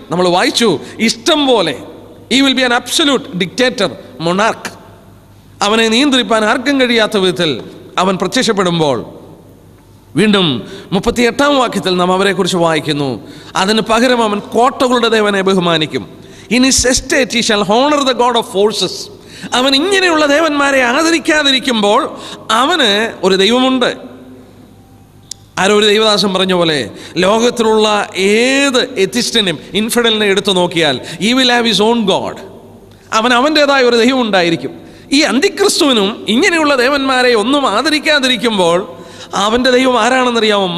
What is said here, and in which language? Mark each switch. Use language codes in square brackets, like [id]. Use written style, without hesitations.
[ml] നമ്മൾ വായിച്ചു, ഇഷ്ടം പോലെ, [en] He will be an absolute dictator monarch. [ml] അവനെ നിയന്ത്രിപ്പാൻ ആർക്കും കഴിയാത്ത വിധത്തിൽ അവൻ പ്രത്യക്ഷപ്പെടുമ്പോൾ, വീണ്ടും 38-ാം വാക്യത്തിൽ നാം അവരെക്കുറിച്ച് വായിക്കുന്നു, അതിന് പകരം അവൻ കോട്ടകളുടെ ദേവനെ ബഹുമാനിക്കും. [en] In his estate he shall honor the god of forces. [ml] അവൻ ഇങ്ങനെയുള്ള ദേവന്മാരെ ആദരിക്കാതിരിക്കുമ്പോൾ അവന് ഒരു ദൈവമുണ്ട്. ആരോ ഒരു ദൈവദാസൻ പറഞ്ഞ പോലെ, ലോകത്തിലുള്ള ഏത് എത്തിസ്റ്റിനും ഇൻഫിഡലിനെ എടുത്തു നോക്കിയാൽ [en] he will have his own god. [ml] അവൻ അവൻ്റെതായ ഒരു ദൈവം ഉണ്ടായിരിക്കും. ഈ അന്തിക്രിസ്തുവിനും ഇങ്ങനെയുള്ള ദേവന്മാരെ ഒന്നും ആദരിക്കാതിരിക്കുമ്പോൾ അവൻ്റെ ദൈവം ആരാണെന്നറിയാമോ?